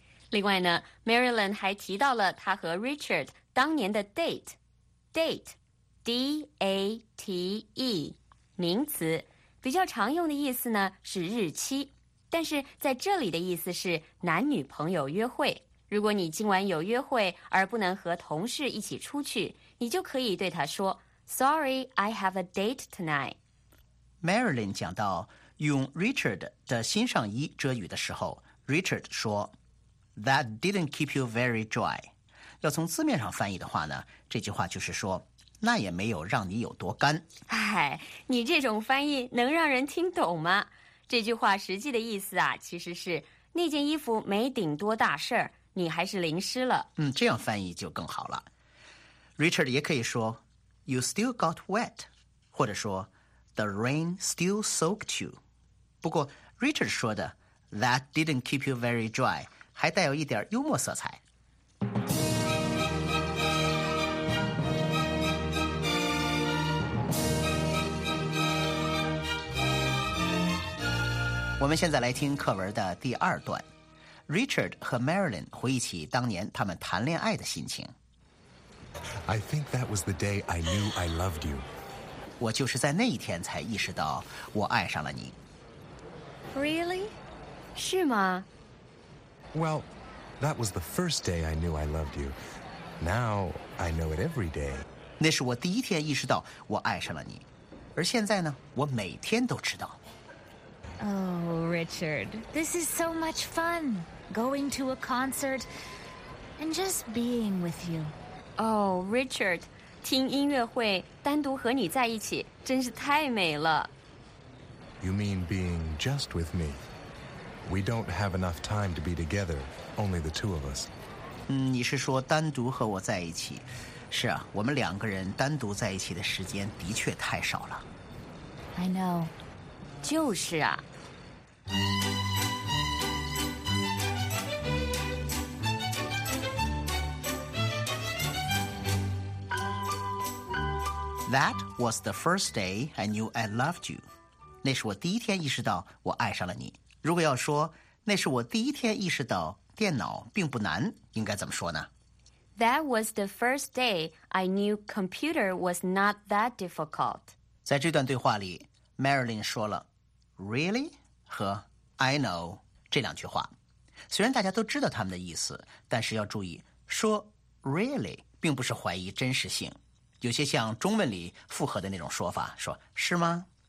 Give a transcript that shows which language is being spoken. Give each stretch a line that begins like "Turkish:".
Chinese: 另外呢 ，Marilyn 还提到了他和 Richard。当年的 date，date，D-A-T-E， 名词，比较常用的意思呢是日期，但是在这里的意思是男女朋友约会。如果你今晚有约会而不能和同事一起出去，你就可以对他说 ，
English: Sorry, I have a date tonight。
Chinese: Marilyn 讲到用 Richard 的新上衣遮雨的时候 ，Richard 说 ，
English: That didn't keep you very dry。
Chinese: 要从字面上翻译的话呢，这句话就是说，那也没有让你有多干。哎，你这种翻译能让人听懂吗？这句话实际的意思啊，其实是那件衣服没顶多大事儿，你还是淋湿了。嗯，这样翻译就更好了。 Richard 也可以说 ，
English: You still got wet，
Chinese: 或者说 ，
English: The rain still soaked you。
Chinese: 不过 Richard 说的
English: That didn't keep you very dry，
Chinese: 还带有一点幽默色彩。我们现在来听课文的第二段 ，Richard 和 Marilyn 回忆起当年他们谈恋爱的心情。
English: I think that was the day I knew I loved you.
Chinese: 我就是在那一天才意识到我爱上了你。
English: Really?
Chinese: 是吗
English: ？Well, that was the first day I knew I loved you. Now I know it every day.
Chinese: 那是我第一天意识到我爱上了你，而现在呢，我每天都知道。
English: Oh, Richard, this is so much fun, going to a concert and just being with you.
Chinese: Oh, Richard, 听音乐会单独和你在一起真是太美了。
English: You mean being just with me? We don't have enough time to be together, only the two of us.
Chinese: 你是说单独和我在一起。是啊，我们两个人单独在一起的时间的确太少了。
English: I know.
Chinese: 就是啊。
English: That was the first day I knew I loved you.
Chinese: 那是我第一天意识到我爱上了你。如果要说那是我第一天意识到电脑并不难，应该怎么说呢
English: ？That was the first day I knew computer was not that difficult.
Chinese: 在这段对话里 ，Marilyn 说了 "Really" 和
English: "I know"
Chinese: 这两句话。虽然大家都知道他们的意思，但是要注意说 "Really" 并不是怀疑真实性。有些像中文里附和的那种说法，说是吗？